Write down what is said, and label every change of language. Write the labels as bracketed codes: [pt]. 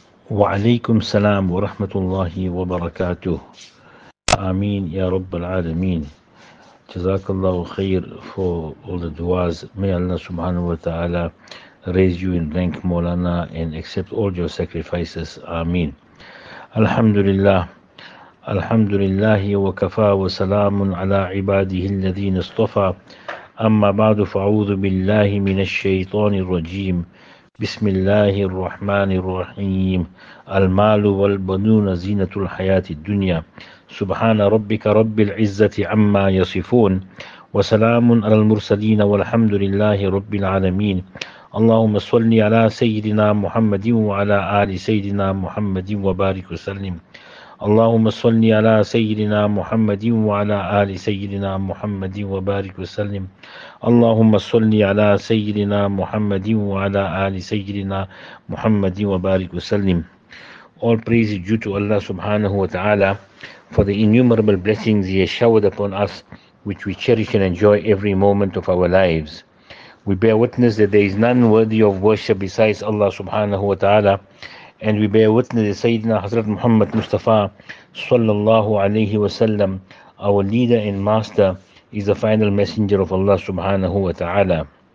[ar] وعليكم السلام ورحمة الله وبركاته. آمين يا رب العالمين. جزاك الله خير [en] for all the du'as. May Allah subhanahu wa ta'ala raise you in rank, Mawlana, and accept all your sacrifices. [ar] Ameen. Alhamdulillah. Alhamdulillah wa kafa wa salamun ala ibadihi alladhina istafa. Amma ba'du fa'udhu billahi min ash-shaytani rajim. بسم الله الرحمن الرحيم. المال والبنون زينة الحياة الدنيا. سبحان ربك رب العزة عما يصفون. وسلام على المرسلين والحمد لله رب العالمين. اللهم صل على سيدنا محمد وعلى آل سيدنا محمد وبارك وسلم. اللهم صل على سيدنا محمد وعلى آل سيدنا محمد وبارك وسلم. اللهم صل على سيدنا محمد وعلى آل سيدنا محمد وبارك وسلم. [en] All praise is due to Allah subhanahu wa ta'ala for the innumerable blessings He has showered upon us, which we cherish and enjoy every moment of our lives. We bear witness that there is none worthy of worship besides Allah subhanahu wa ta'ala. And we bear witness that Sayyidina Hazrat Muhammad Mustafa sallallahu alayhi wa sallam, our leader and master, is the final messenger of Allah subhanahu wa ta'ala.